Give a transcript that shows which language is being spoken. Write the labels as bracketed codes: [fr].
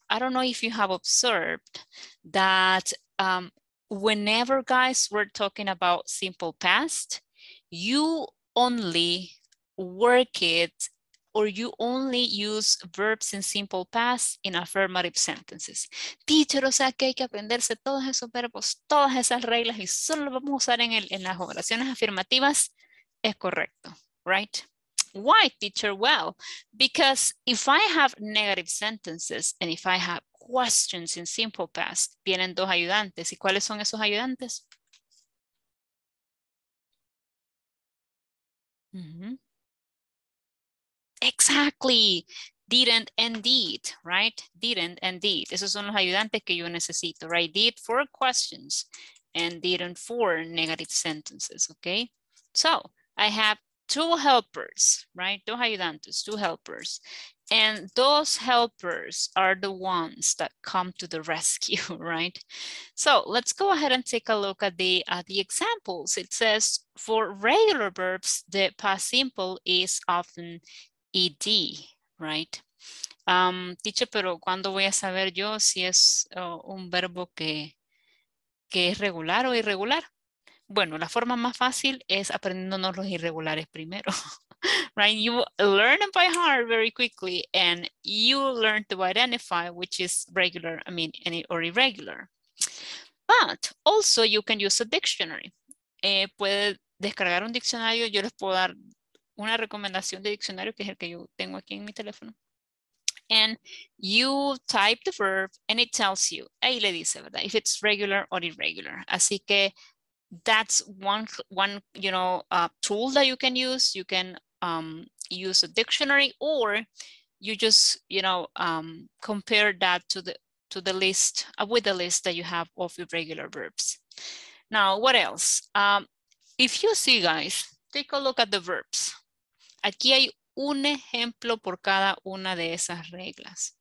[en] I don't know if you have observed that whenever, guys, we're talking about simple past, you only work it or you only use verbs in simple past in affirmative sentences. [es] Teacher, o sea que hay que aprenderse todos esos verbos, todas esas reglas y solo lo vamos a usar en, en las oraciones afirmativas. Es correcto, [en] right? Why, teacher? Well, because if I have negative sentences and if I have questions in simple past, [es] vienen dos ayudantes. ¿Y cuáles son esos ayudantes? [en] Exactly. Didn't and did, right? Didn't and did. [es] Esos son los ayudantes que yo necesito, right? [en] Did for questions and didn't for negative sentences, okay? So, I have two helpers, right? [es] Dos ayudantes, [en] two helpers. And those helpers are the ones that come to the rescue, right? So let's go ahead and take a look at the examples. It says for regular verbs, the past simple is often ed, right? [es] Teacher, pero ¿cuándo voy a saber yo si es un verbo que es regular o irregular? Bueno, la forma más fácil es aprendiéndonos los irregulares primero. [en] Right, you learn them by heart very quickly and you learn to identify which is regular, I mean, any or irregular. But also you can use a dictionary. [es] Puede descargar un diccionario, yo les puedo dar una recomendación de diccionario que es el que yo tengo aquí en mi teléfono. [en] And you type the verb and it tells you, [es] ahí le dice, ¿verdad? [en] If it's regular or irregular. [es] Así que [en] that's one you know, tool that you can use. You can use a dictionary, or you just, you know, compare that to the list with the list that you have of your regular verbs. Now, what else? If you see, guys, take a look at the verbs. [es] Aquí hay un ejemplo por cada una de esas reglas.